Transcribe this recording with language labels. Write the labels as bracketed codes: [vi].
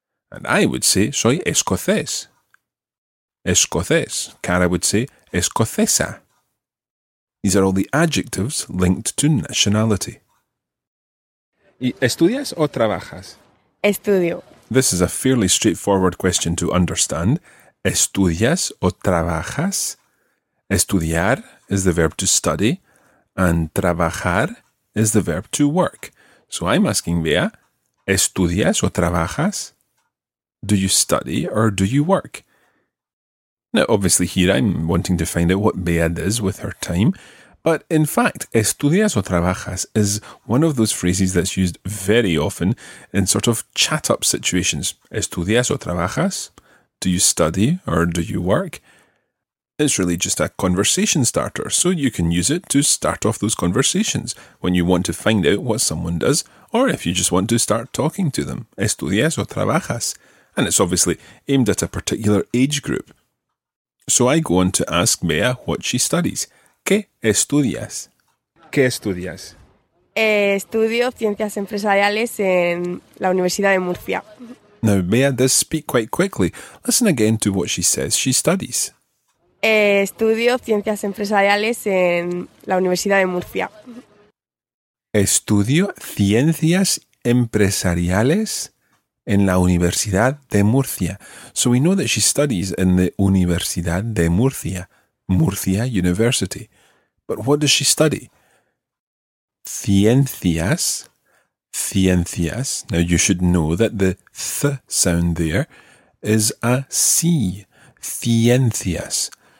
[en] And I would say [es] soy escocés, escocés. [en] Cara would say escocesa. These are all the adjectives linked to nationality. [es] ¿Y estudias o trabajas? Estudio. [en] This is a fairly straightforward question to understand. [es] ¿Estudias o trabajas? [en] Estudiar is the verb to study, and trabajar is the verb to work. So I'm asking Bea, [es] ¿estudias o trabajas? [en] Do you study or do you work? Now, obviously here I'm wanting to find out what Bea does with her time. But in fact, [es] estudias o trabajas [en] is one of those phrases that's used very often in sort of chat-up situations. [es] Estudias o trabajas? [en] Do you study or do you work? It's really just a conversation starter, so you can use it to start off those conversations when you want to find out what someone does or if you just want to start talking to them. [es] Estudias o trabajas? [en] And it's obviously aimed at a particular age group. So I go on to ask Bea what she studies. [es] ¿Qué estudias? ¿Qué estudias? Estudio ciencias empresariales en la Universidad de Murcia. [en] Now, Bea does speak quite quickly. Listen again to what she says she studies. [es] Estudio ciencias empresariales en la Universidad de Murcia. Estudio ciencias empresariales en la Universidad de Murcia. [en] So we know that she studies in the Universidad de Murcia, Murcia University. But what does she study? Ciencias, ciencias. Now you should know that the th sound there is a C, ciencias.